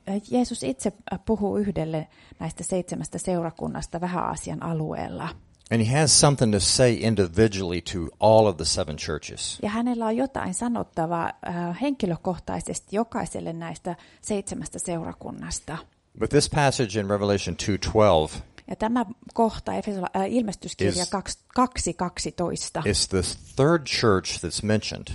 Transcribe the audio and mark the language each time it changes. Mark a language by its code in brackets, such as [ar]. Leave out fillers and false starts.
[fi] Jeesus itse puhuu yhdelle näistä seitsemästä seurakunnasta Vähä-Aasian alueella. [en] And he has something to say individually to all of the seven churches. [fi] Ja hänellä on jotain sanottavaa henkilökohtaisesti jokaiselle näistä seitsemästä seurakunnasta. [en] But this passage in Revelation 2:12. [fi] Ja tämä kohta ilmestyskirja 2:12. [en] Is the third church that's mentioned.